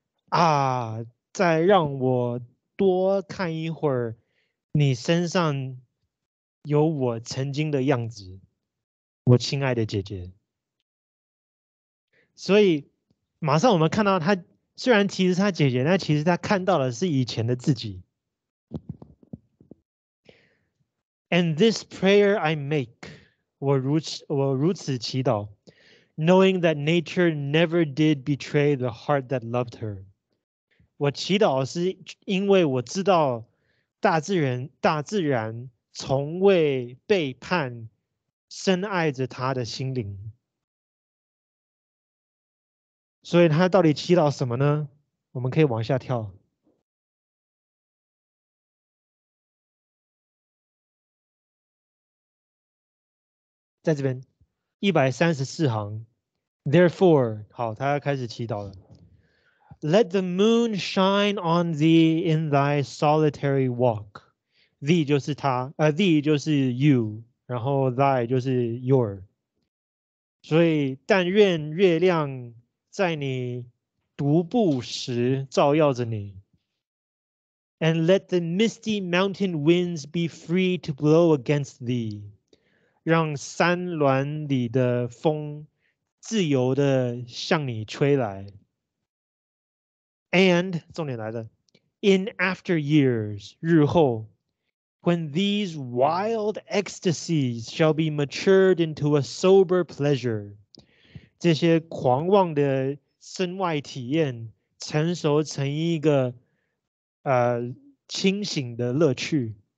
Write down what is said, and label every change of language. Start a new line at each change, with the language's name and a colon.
Chinese: 啊，再让我多看一会儿，你身上有我曾经的样子，我亲爱的姐姐。所以，马上我们看到他虽然提示他姐姐，但其实他看到的是以前的自己。
English: And this prayer I make,
Chinese: 我如此祈祷,
English: knowing that nature never did betray the heart that loved her.
Chinese: 我祈祷是因为我知道大自然从未背叛深爱着她的心灵。所以她到底祈祷什么呢？我们可以往下跳。在这边134行 Therefore, 好，他要开始祈祷了。
English: Let the moon shine on thee in thy solitary walk.
Chinese: Thee 就是他，thee 就是 you, 然后 thy 就是 your. 所以但愿月亮在你独步时照耀着你。
English: And let the misty mountain winds be free to blow against thee.
Chinese: 让山峦里的风自由地向你吹来。
English: And,
Chinese: 重点来了,
English: in after years,
Chinese: 日后,
English: when these wild ecstasies shall be matured into a sober pleasure,
Chinese: 这些狂妄的身外体验成熟成一个清醒的乐趣。